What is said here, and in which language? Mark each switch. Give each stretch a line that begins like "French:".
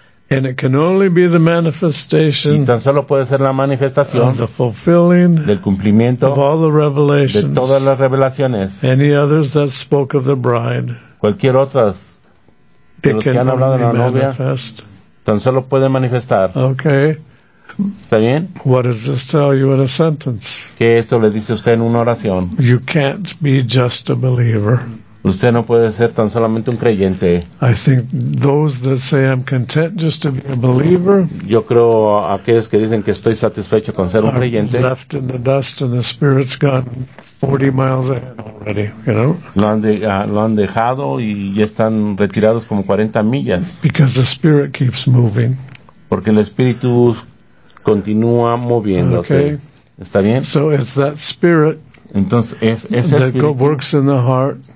English: And it can only be the manifestation.
Spanish: Y tan solo puede ser la manifestación.
English: Of the fulfilling.
Spanish: Del cumplimiento.
English: Of all the revelations.
Spanish: De todas las revelaciones.
English: Any others that spoke of the bride.
Spanish: Cualquier otras. De los que han hablado de la novia. Tan solo puede manifestar.
English: Okay.
Spanish: ¿Está bien?
English: What does this tell you in a sentence?
Spanish: ¿Qué esto le dice usted en una oración?
English: You can't be just a believer.
Spanish: Usted no puede ser tan solamente un creyente.
English: I think those that say I'm content just to be a believer.
Spanish: Yo creo aquellos que dicen que estoy satisfecho con ser un creyente.
English: Left in the dust and the spirit's gone 40 miles ahead already, you know?
Spanish: Lo han dejado y ya están retirados como 40 millas.
English: Because the spirit keeps moving.
Spanish: Porque el espíritu continúa moviéndose.
English: Okay.
Spanish: ¿Está bien?
English: So it's that spirit.
Spanish: Entonces es ese
English: that
Spanish: espíritu.
English: That works in the heart.